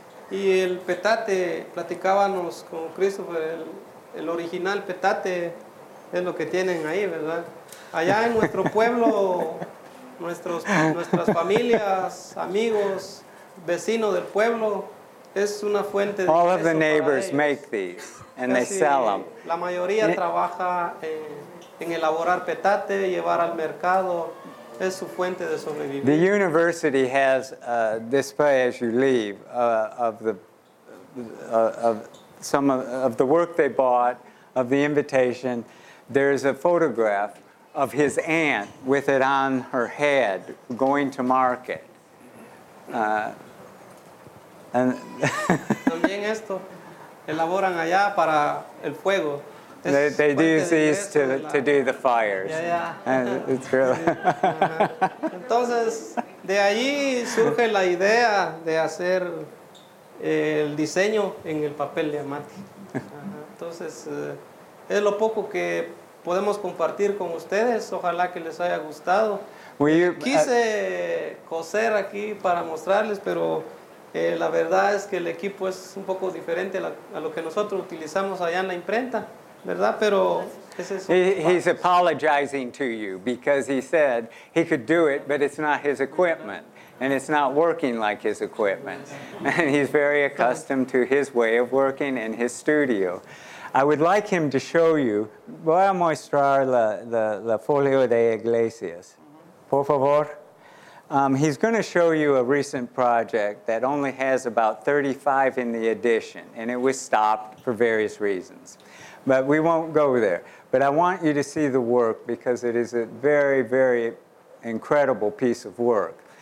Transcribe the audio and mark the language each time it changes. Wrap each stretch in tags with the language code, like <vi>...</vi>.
<es>Y el petate, platicábamos con Christopher, el original petate es lo que tienen ahí, ¿verdad? Allá en nuestro pueblo, nuestras familias, amigos, vecinos del pueblo, es una fuente de</es> <en>all of the neighbors make these, and they sell them.</en> <es>La mayoría trabaja en elaborar petate, llevar al mercado. Es su fuente de sobrevivir.</es> <en>The university has a display as you leave of the work they bought, of the invitation. There's a photograph of his aunt with it on her head going to market. And</en> <es>también esto elaboran allá para el fuego.</es> <en>They do use these to do the fires. Yeah. And it's really.</en> <es>Entonces, de ahí surge la idea de hacer el diseño en el papel de amate. Entonces, es lo poco que podemos compartir con ustedes. Ojalá que les haya gustado. Quise coser aquí para mostrarles, pero la verdad es que el equipo es un poco diferente a lo que nosotros utilizamos allá en la imprenta, ¿verdad? Pero ese es</es> <en>He's apologizing to you because he said he could do it, but it's not his equipment. And it's not working like his equipment. And he's very accustomed to his way of working in his studio. I would like him to show you.</en> <es>Voy a mostrar la folio de Iglesias. Por favor.</es> <en>He's going to show you a recent project that only has about 35 in the edition. And it was stopped for various reasons. But we won't go there. But I want you to see the work because it is a very, very incredible piece of work.</en>